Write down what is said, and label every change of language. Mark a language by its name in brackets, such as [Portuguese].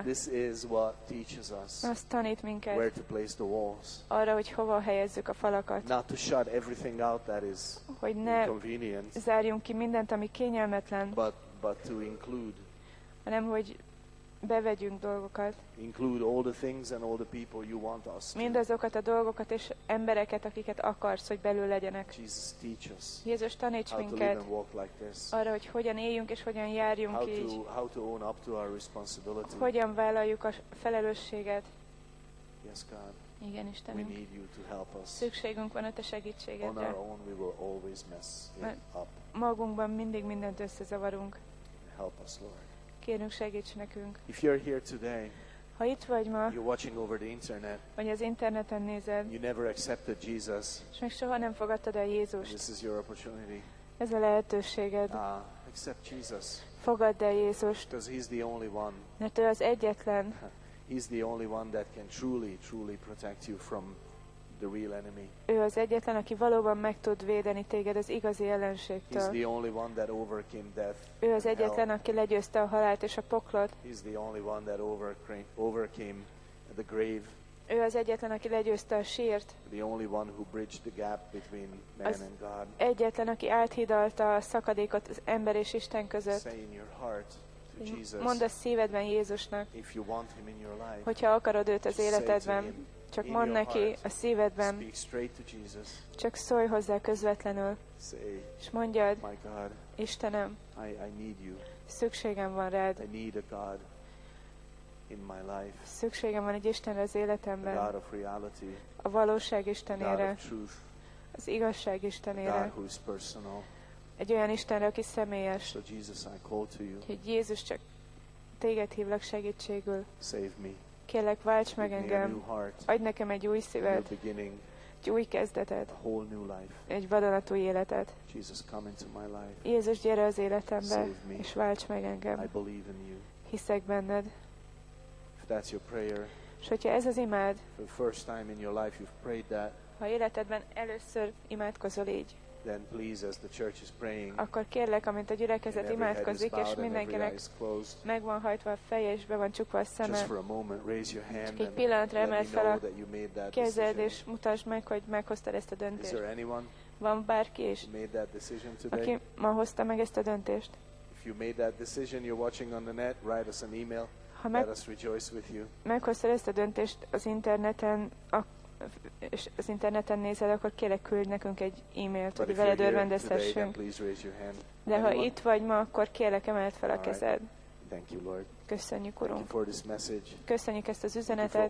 [English] This is what teaches us. [Hungarian] Azt tanít minket. [English] Where to place the walls. [Hungarian] Arra, hogy hova helyezzük a falakat. [English] Not to shut everything out that is [Hungarian] hogy ne [English] inconvenient. [Hungarian] Zárjunk ki mindent, ami kényelmetlen. [English] But to include. [Hungarian] Hanem hogy bevegyünk dolgokat. [English] Include all the things and all the people you want us to. [Hungarian] Mindazokat a dolgokat és embereket, akiket akarsz, hogy belül legyenek. [English] Jesus, teach us. [Hungarian] Jézus, taníts minket. [English] How to live and walk like this. [Hungarian] Arra, hogy hogyan éljünk és hogyan járjunk [English] how [Hungarian] így. [English] How to own up to our responsibility. [Hungarian] Hogyan vállaljuk a felelősséget. [English] Yes, God. [Hungarian] Igen, Istenünk. [English] We need you to help us. [Hungarian] Szükségünk van a te segítségedre. [English] On our own we will always mess it up. [Hungarian] Magunkban mindig mindent összezavarunk. [English] Help us, Lord. [Hungarian] Kérünk, segíts nekünk. [English] If you're here today, [Hungarian] ha itt vagy ma, [English] you're watching over the internet, [Hungarian] vagy az interneten nézed, [English] you never accepted Jesus, [Hungarian] és még soha nem fogadtad el Jézust, [English] this is your opportunity. [Hungarian] Ez a lehetőséged. [English] Accept Jesus. [Hungarian] Fogadd el Jézust. [English] Because he's the only one. [Hungarian] Mert ő az egyetlen. [English] He's the only one that can truly, truly protect you from the real enemy. [Hungarian] Ő az egyetlen, aki valóban meg tud védeni téged az igazi ellenségtől. [English] He's the only one that overcame death. [Hungarian] Ő az egyetlen, aki legyőzte a halált és a poklot. [English] He's the only one that overcame the grave. [Hungarian] Ő az egyetlen, aki legyőzte a sírt. [English] The only one who bridged the gap between man and God. [Hungarian] Egyetlen, aki áthidalta a szakadékot az ember és Isten között. [English] Say in your heart to Jesus. [Hungarian] Mondd a szívedben Jézusnak. [English] If you want him in your life. [Hungarian] Hogyha akarod őt az életedben. Csak [English] in [Hungarian] mondd neki [English] heart, [Hungarian] a szívedben. [English] Speak straight to Jesus. [Hungarian] Csak szólj hozzá közvetlenül. [English] Say, [Hungarian] és mondjad, [English] my God, [Hungarian] Istenem, [English] I need you. [Hungarian] Szükségem van rád. [English] I need a God in my life. [Hungarian] Szükségem van egy Istenre az életemben. [English] The God of reality. [Hungarian] A valóság Istenére. [English] The God of truth. [Hungarian] Az igazság Istenére. [English] The God who is personal. [Hungarian] Egy olyan Istenre, aki személyes. [English] So Jesus, I call to you. [Hungarian] Hogy Jézus, csak téged hívlak segítségül. [English] Save me. [Hungarian] Kérlek, válts meg engem. Adj nekem egy új szíved. Egy új kezdetet. Egy vadonatúj életet. [English] Jesus, come into my life. [Hungarian] Jézus, gyere az életembe. [English] Save me. [Hungarian] És válts meg engem. [English] I believe in you. [Hungarian] Hiszek benned. [English] If that's your prayer, [Hungarian] és hogyha ez az imád, [English] for the first time in your life you've prayed that, [Hungarian] ha életedben először imádkozol így, [English] then please, as the church is praying, [Hungarian] akkor kérlek, amint a gyülekezet imádkozik, és mindenkinek meg van hajtva a feje, és be van csukva a szeme, [English] just for a moment, raise your hand, [Hungarian] egy pillanatra emeld fel a kezed, és mutasd meg, hogy meghoztad ezt a döntést. [English] Is there anyone, [Hungarian] van bárki is, [English] who made that decision today? [Hungarian] Aki ma hozta meg ezt a döntést? [English] If you made that decision, you're watching on the net, write us an email, let us rejoice with you. [Hungarian] Meghoztad ezt a döntést az interneten, és az interneten nézel, akkor kérlek, küldj nekünk egy e-mailt, [English] but [Hungarian] hogy veled örvendeztessünk. De [English] anyone? [Hungarian] Ha itt vagy ma, akkor kérlek, emeld fel a kezed. [English] Thank you, Lord. [Hungarian] Köszönjük, Urunk. [English] Thank you for this message. [Hungarian] Köszönjük ezt az üzenetet.